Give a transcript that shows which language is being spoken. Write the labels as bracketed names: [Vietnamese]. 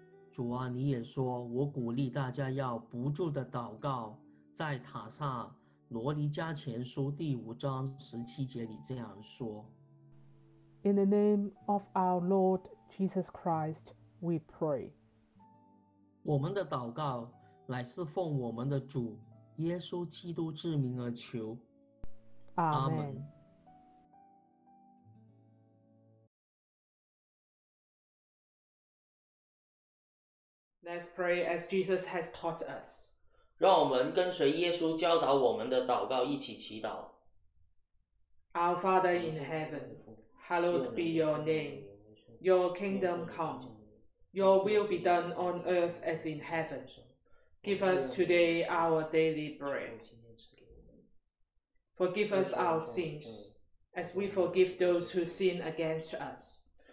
[Chinese] 主啊，你也说，我鼓励大家要不住的祷告，在塔萨罗尼迦前书第五章十七节里这样说。 [English] In the name of our Lord Jesus Christ, we pray. [Chinese] 我们的祷告乃是奉我们的主耶稣基督之名而求。 [English] Amen. [Chinese] 阿们。 [English] Let's pray as Jesus has taught us. [Chinese] 让我们跟随耶稣教导我们的祷告一起祈祷。 [English] Our Father in heaven, hallowed be your name. Your kingdom come. Your will be done on earth as in heaven. Give us today our daily bread. Forgive us our sins, as we forgive those who sin against us.